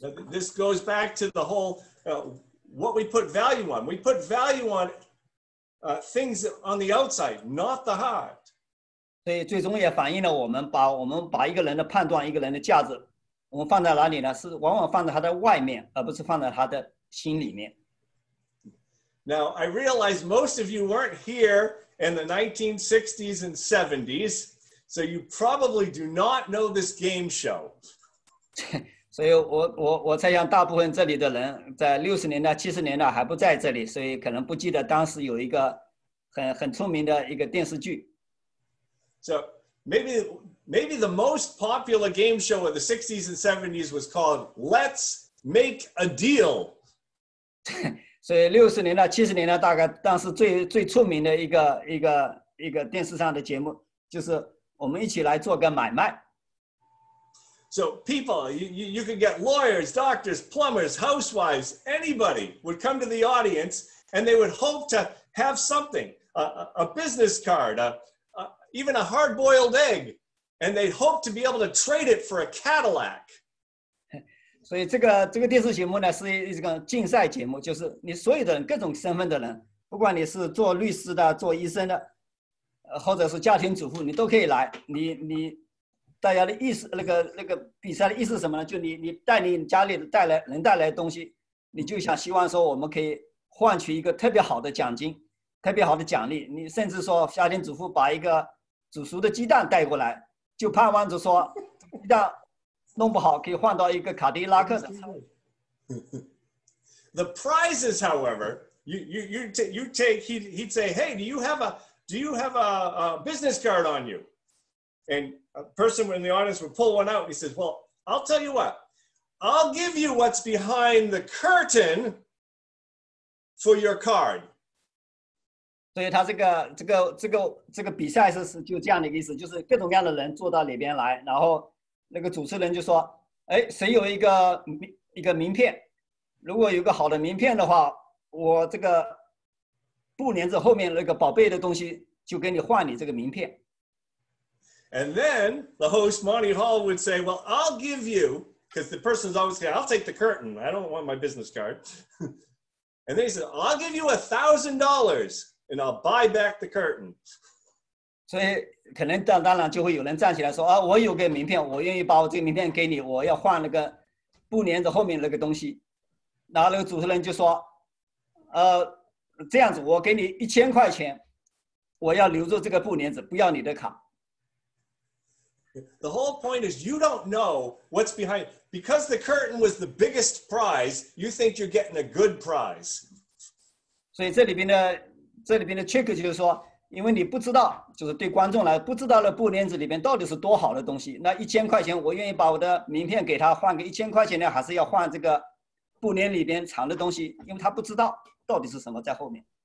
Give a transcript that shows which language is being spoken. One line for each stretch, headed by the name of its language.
English: This goes back to the whole what we put value on. We put value on things on the outside, not the heart.
Chinese: 所以最终也反映了我们把一个人的判断、一个人的价值，我们放在哪里呢？是往往放在他的外面，而不是放在他的心里面。
English: Now I realize most of you weren't here in the 1960s and 70s, so you probably do not know this game show.
Chinese: 所以我猜想大部分这里的人在60年代、70年代还不在这里，所以可能不记得当时有一个很出名的一个电视剧。
English: So maybe the most popular game show of the 60s and 70s was called Let's Make a Deal.
Chinese: 所以60年代、70年代大概当时最出名的一个电视上的节目就是我们一起来做个买卖。
English: So people, you could get lawyers, doctors, plumbers, housewives, anybody would come to the audience and they would hope to have something, a business card, even a hard-boiled egg, and they'd hope to be able to trade it for a Cadillac.
Chinese: 所以这个电视节目呢是一个竞赛节目，就是你所有的人各种身份的人，不管你是做律师的、做医生的，或者是家庭主妇，你都可以来，你。大家的意思，那个比赛的意思是什么呢？就你带你家里带来的东西，你就想希望说我们可以换取一个特别好的奖金，特别好的奖励。你甚至说家庭主妇把一个煮熟的鸡蛋带过来，就盼望着说鸡蛋弄不好可以换到一个卡迪拉克的。
English: The prizes, however, you take he'd say, hey, do you have a business card on you? And a person in the audience would pull one out. He says, well, I'll tell you what. I'll give you what's behind the curtain for your card.
Chinese: 所以他这个比赛是就这样的意思，就是各种各样的人坐到里边来，然后那个主持人就说，哎，谁有一个名片？如果有个好的名片的话，我这个布帘子后面那个宝贝的东西就给你换你这个名片。
English: And then the host, Monty Hall, would say, well, I'll give you, because the person's always saying, I'll take the curtain. I don't want my business card. And then he said, I'll give you $1,000 and I'll buy back the curtain.
Chinese: 所以可能当然就会有人站起来说，我有个名片，我愿意把我这个名片给你，我要换那个布帘子后面那个东西。然后那个主持人就说，这样子，我给你1000块钱，我要留住这个布帘子，不要你的卡。
English: The whole point is you don't know what's behind. Because the curtain was the biggest prize, you think you're getting a good prize.
Chinese: 所以这里边的 trick 就是说，因为你不知道，就是对观众来不知道的布帘子里边到底是多好的东西。那1000块钱，我愿意把我的名片给他换个1000块钱呢，还是要换这个布帘里边藏的东西？因为他不知道到底是什么在后面。